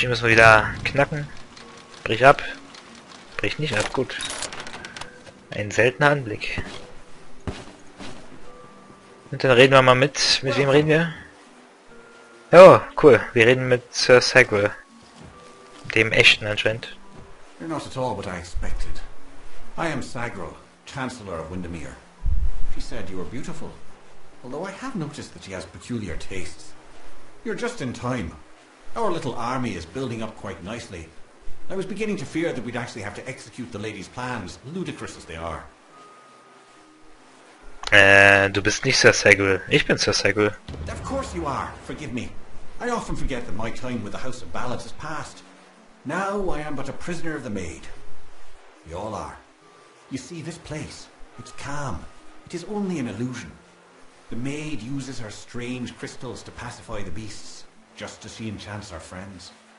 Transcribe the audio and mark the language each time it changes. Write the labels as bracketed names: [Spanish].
[German] Hier müssen wir wieder knacken. Brich ab. Brich nicht ab. Gut. Ein seltener Anblick. Und dann reden wir mal mit... Mit wem reden wir? Oh, cool. Wir reden mit Sir Segwell. Dem echten anscheinend. [English] You're not at all what I expected. I am Segwell, Chancellor of Windermere. She said you were beautiful. Although I have noticed that she has peculiar tastes. You're just in time. Our little army is building up quite nicely. I was beginning to fear that we'd actually have to execute the lady's plans, ludicrous as they are. [German] Du bist nicht Sir Segwell. Ich bin Sir Segwell. [English] Of course you are. Forgive me. I often forget that my time with the House of Ballads has passed. Now I am but a prisoner of the maid. We all are. You see, this place, it's calm. It is only an illusion. The maid uses her strange crystals to pacify the beasts, just as she enchants our friends.